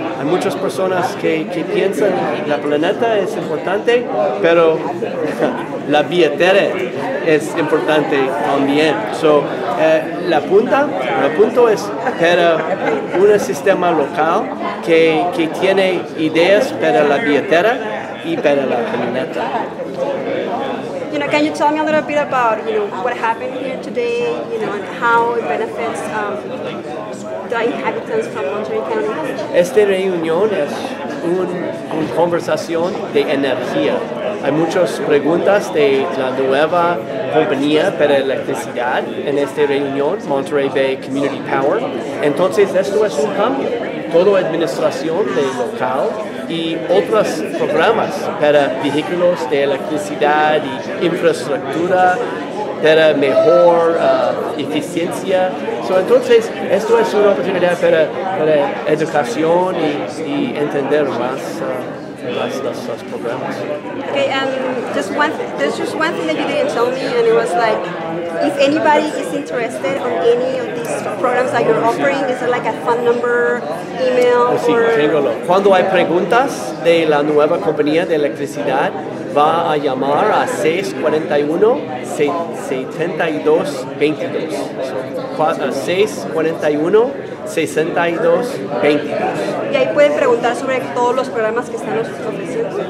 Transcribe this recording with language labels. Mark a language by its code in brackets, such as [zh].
[es] Hay muchas personas que piensan que la planeta es importante, pero la billetera es importante también. So, el punto es para un sistema local que tiene ideas para la billetera y para la planeta. [en] You know, can you tell me a little bit about, you know, what happened here today, you know, and how it benefits the inhabitants from Monterey County? [es] Esta reunión es una conversación de energía. hay muchas preguntas de la nueva compañía para electricidad en esta reunión, Monterey Bay Community Power. Entonces, esto es un cambio. Toda administración de local y otros programas para vehículos de electricidad y infraestructura para mejor eficiencia. So, entonces, esto es una oportunidad para educación y entender más los programas. [en] Okay, there's just one thing that you didn't tell me, and it was like, if anybody is interested on any of these programs that you're offering, is it like a phone number, email, [es] oh, sí, [en] or... [es] Tengo. Cuando hay preguntas de la nueva compañía de electricidad, va a llamar a 641-7222. [en] So, 641-6222. [es] Y ahí pueden preguntar sobre todos los programas que están ofreciendo.